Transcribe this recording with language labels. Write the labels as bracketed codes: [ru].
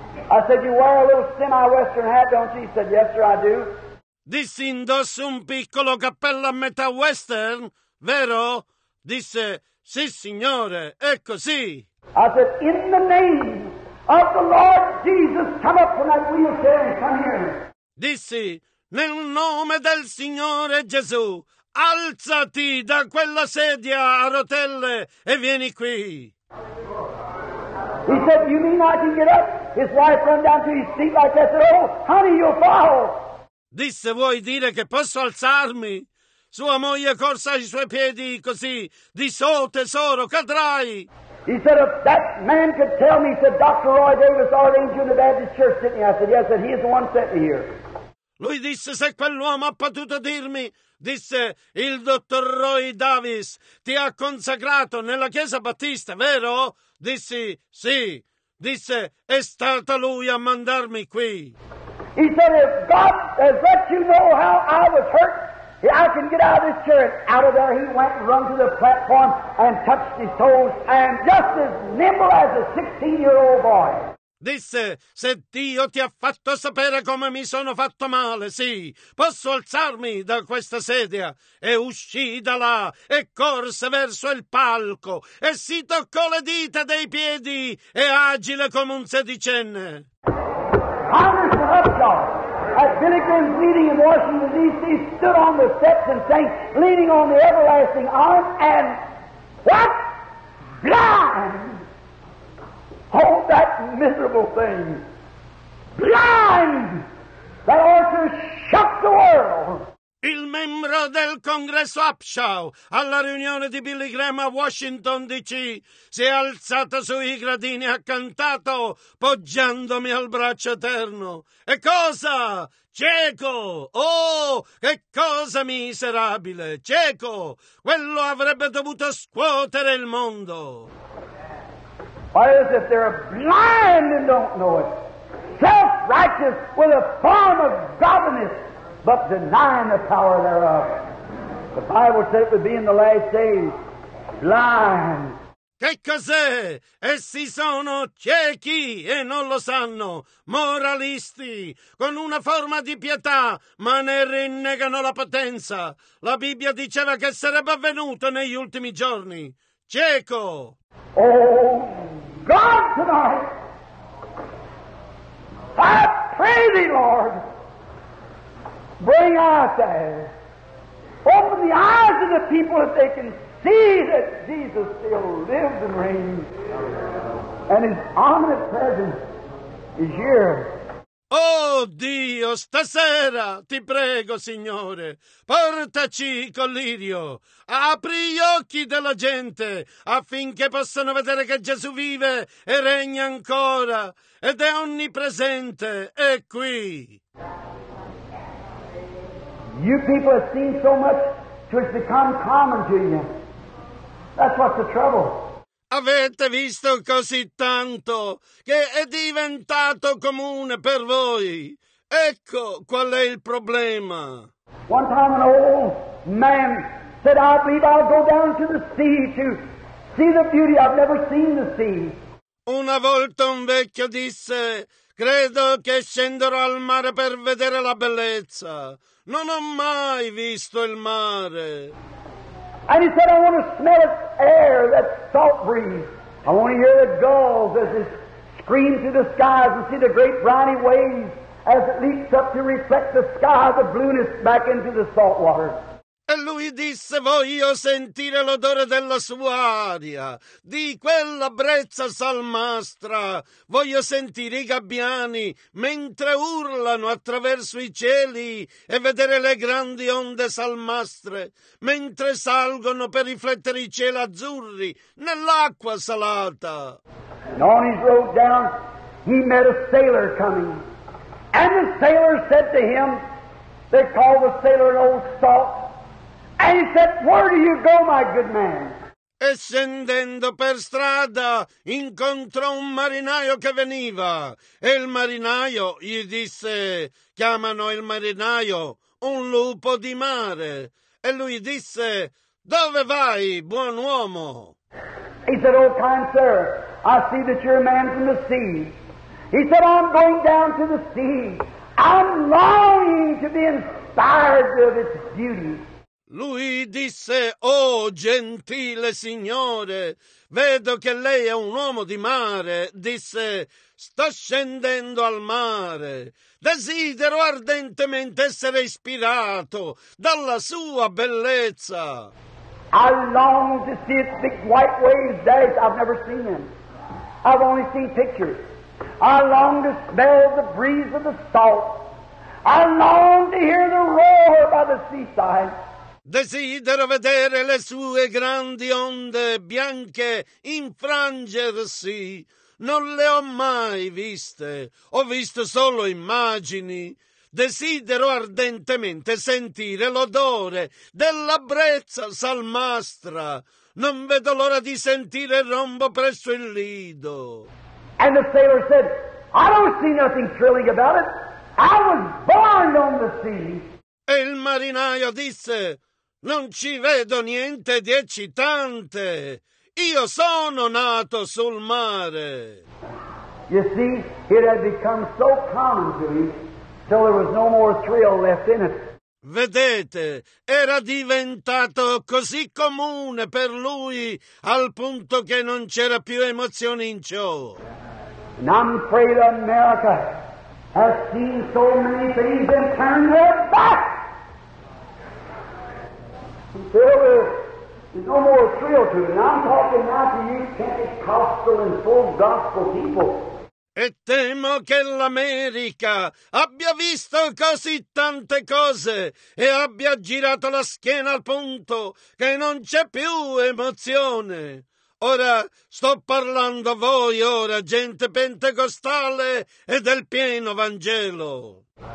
[en] I said, you wear a little semi-western hat, don't you? He said, yes, sir, I do. [it] Disse, indossi un piccolo cappello a metà western, vero? Disse, sì, signore, è così. [en] I said, in the name of the Lord Jesus, come up from that wheelchair and come here. [it] Dissi, nel nome del Signore Gesù, alzati da quella sedia a rotelle e vieni qui. [en] He said, you mean I can get up? His wife ran down to his seat like that, said, oh, honey, you'll fall. [it] Disse, vuoi dire che posso alzarmi? Sua moglie corse ai suoi piedi così, disse, oh, tesoro, cadrai. [en] He said, if that man could tell me, he said, Dr. Roy Davis, ordained you in the Baptist church, didn't he? I said, yes, he is the one sent me here. [it] Lui disse, se quell'uomo ha potuto dirmi, disse, il dottor Roy Davis ti ha consacrato nella chiesa battista, vero? Dissi, sì. Disse, è stato lui a mandarmi qui. [en] He said, if God has let you know how I was hurt, I can get out of this chair. Out of there he went and run to the platform and touched his toes, and just as nimble as a 16-year-old boy. [it] Disse, se Dio ti ha fatto sapere come mi sono fatto male, sì, posso alzarmi da questa sedia. E uscì da là e corse verso il palco e si toccò le dita dei piedi e agile come un sedicenne. [en] Congressman Upshaw, at Billy Graham's meeting in Washington, D.C., stood on the steps and sang, leaning on the everlasting arm, and what? Blind! Hold that miserable thing. Blind! That orator shocked the world! [it] Il membro del congresso Upshaw, alla riunione di Billy Graham a Washington D.C., si è alzato sui gradini e ha cantato, poggiandomi al braccio eterno. E cosa? Cieco! Oh, che cosa miserabile! Cieco! Quello avrebbe dovuto scuotere il mondo! [en] Why is it they're blind and don't know it? Self-righteous with a form of godliness, but denying the power thereof. The Bible said it would be in the last days. Blind. [it] Che cos'è? Essi sono ciechi e non lo sanno. Moralisti, con una forma di pietà, ma ne rinnegano la potenza. La Bibbia diceva che sarebbe avvenuto negli ultimi giorni. Cieco. [en] Oh, God tonight. I pray thee, Lord, bring out there. Open the eyes of the people that they can see that Jesus still lives and reigns, and his omnipresence is here. [it] Oh Dio, stasera ti prego, Signore, portaci collirio, apri gli occhi della gente affinché possano vedere che Gesù vive e regna ancora ed è onnipresente, è qui. [en] You people have seen so much to it's become common to you. That's what's the trouble. [it] Avete visto così tanto che è diventato comune per voi. Ecco qual è il problema. [en] One time an old man said, I believe I'll go down to the sea to see the beauty. I've never seen the sea. [it] Una volta un vecchio disse, credo che scenderò al mare per vedere la bellezza. Non ho mai visto il mare. [en] And he said, I want to smell its air, that salt breeze. I want to hear the gulls as it scream through the skies and see the great briny waves as it leaps up to reflect the sky, the blueness back into the salt water. [it] E lui disse, voglio sentire l'odore della sua aria, di quella brezza salmastra. Voglio sentire i gabbiani mentre urlano attraverso i cieli e vedere le grandi onde salmastre mentre salgono per riflettere i cieli azzurri nell'acqua salata. [en] And on his road down, he met a sailor coming. And the sailor said to him, they call the sailor an old salt. And he said, where do you go, my good man? [it] E scendendo per strada, incontrò un marinaio che veniva. E il marinaio gli disse, chiamano il marinaio un lupo di mare. E lui disse, dove vai, buon uomo? [en] He said, oh, kind sir, I see that you're a man from the sea. He said, I'm going down to the sea. I'm longing to be inspired of its beauty. [it] Lui disse, oh, gentile signore, vedo che lei è un uomo di mare. Disse, sto scendendo al mare. Desidero ardentemente essere ispirato dalla sua bellezza. [en] I long to see its big white waves dash. I've never seen them. I've only seen pictures. I long to smell the breeze of the salt. I long to hear the roar by the seaside. [it] Desidero vedere le sue grandi onde bianche infrangersi. Non le ho mai viste. Ho visto solo immagini. Desidero ardentemente sentire l'odore della brezza salmastra. Non vedo l'ora di sentire il rombo presso il lido. [en] And the sailor said, I don't see nothing thrilling about it. I was born on the sea. [it] E il marinaio disse, non ci vedo niente di eccitante. Io sono nato sul mare. [en] You see, it had become so common to me, till there was no more thrill left in it. [it] Vedete, era diventato così comune per lui al punto che non c'era più emozione in ciò. [en] And I'm afraid America has seen so many things and turned their back. Until There's no more thrill to it. And I'm talking now to you Pentecostal and full gospel people. [it] E temo che l'America abbia visto così tante cose e abbia girato la schiena al punto che non c'è più emozione. Ora sto parlando a voi, ora, gente pentecostale e del pieno Vangelo.